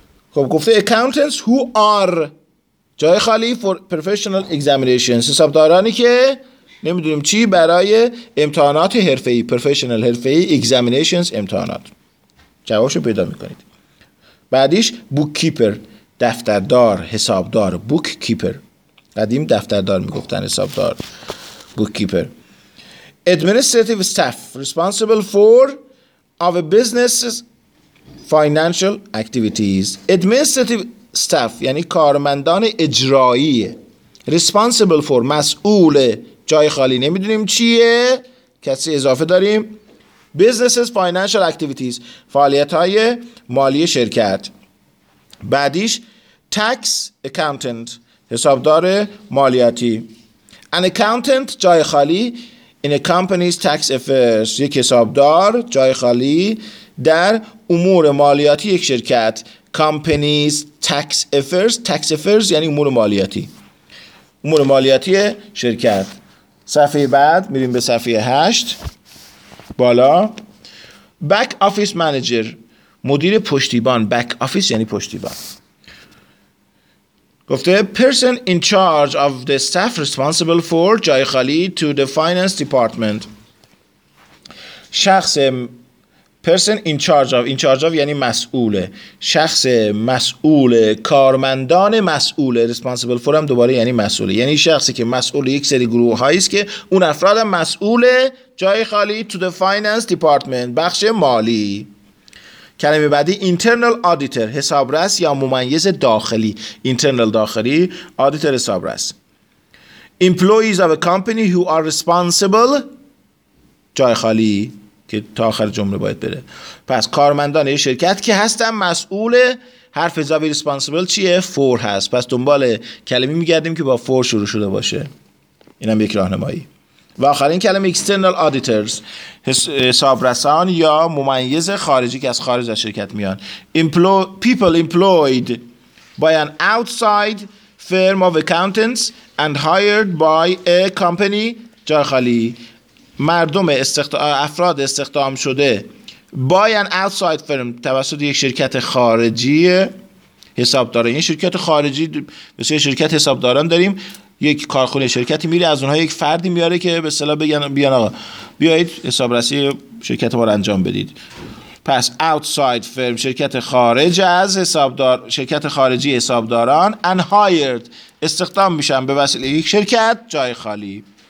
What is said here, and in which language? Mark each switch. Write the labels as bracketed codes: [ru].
[fa] خب گفته [en] accountants who are [fa] جای خالی [en] for professional examinations، [fa] حسابدارانی که نمیدونیم چی برای امتحانات حرفه‌ای، professional حرفه‌ای examinations امتحانات. جوابشو پیدا میکنید. بعدیش bookkeeper دفتردار، حسابدار، bookkeeper قدیم دفتردار میگفتن، حسابدار، bookkeeper. [en] Administrative staff responsible for of a business's financial activities. [fa] Administrative staff یعنی کارمندان اجرایی. Responsible for مسئول، جای خالی نمیدونیم چیه، کسی اضافه داریم. Business's financial activities فعالیت‌های مالی شرکت. بعدیش tax accountant حسابدار مالیاتی. [en] An accountant [fa] جای خالی [en] in a company's tax affairs، [fa] یک حسابدار جای خالی در امور مالیاتی یک شرکت. company's tax affairs، tax affairs یعنی امور مالیاتی، امور مالیاتی شرکت. صفحه بعد میریم به صفحه 8 بالا. back office manager مدیر پشتیبان، back office یعنی پشتیبان. [en] گفته person in charge of the staff responsible for جای خالی to the finance department، شخص person in charge of. [fa] In charge of یعنی مسئوله، شخص مسئوله، کارمندان مسئوله. Responsible for هم دوباره یعنی مسئوله، یعنی شخصی که مسئول یک سری گروه هاییست که اون افراد هم مسئوله. جای خالی to the finance department، بخش مالی. کلمه بعدی internal auditor، حسابرس یا ممیز داخلی. internal داخلی، auditor حسابرس. [en] employees of a company who are responsible، [fa] جای خالی که تا آخر جمله باید بره. پس کارمندان یه شرکت که هستن مسئول، حرف اضافه responsible چیه؟ for هست. پس دنبال کلمه میگردیم که با for شروع شده باشه. اینم یک راهنمایی. و آخرین کلمه external auditors، حسابرسان یا ممیز خارجی که از خارج از شرکت میان. [en] people employed by an outside firm of accountants and hired by a company، [fa] جای خالی مردم افراد استخدام شده [en] by an outside firm، [fa] توسط یک شرکت خارجی حسابداره. یه شرکت خارجی، مثل شرکت حسابداران داریم، یک کارخونه شرکتی میری از اونها یک فردی میاره که به اصطلاح بگن بیان آقا بیایید حسابرسی شرکت ما رو انجام بدید. پس outside firm، شرکت خارج از حسابدار، شرکت خارجی حسابداران، [en] and hired، [fa] استخدام میشن به وسیله یک شرکت، جای خالی.